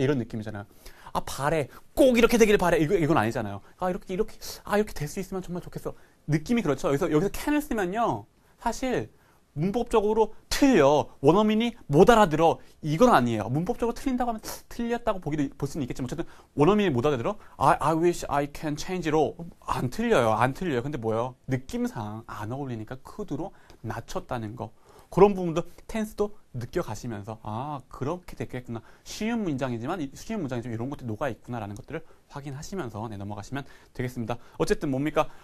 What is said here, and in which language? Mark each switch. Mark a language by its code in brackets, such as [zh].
[ko] 이런 느낌이잖아요. 아, 바래. 꼭 이렇게 되기를 바래. 이건 아니잖아요. 이렇게 될수 있으면 정말 좋겠어. 느낌이 그렇죠. 여기서 can을 쓰면요. 사실 문법적으로 틀려. 원어민이 못 알아들어. 이건 아니에요. 문법적으로 틀린다고 하면 틀렸다고 볼 수는 있겠지만 어쨌든 원어민이 못 알아들어. [en] I wish I can change it all. [ko] 안 틀려요. 안 틀려요. 근데 뭐예요? 느낌상 안 어울리니까 could로 낮췄다는 거. 그런 부분도 텐스도 느껴가시면서 아, 그렇게 됐겠구나. 쉬운 문장이지만 이런 것들이 녹아있구나라는 것들을 확인하시면서 네, 넘어가시면 되겠습니다. 어쨌든 뭡니까?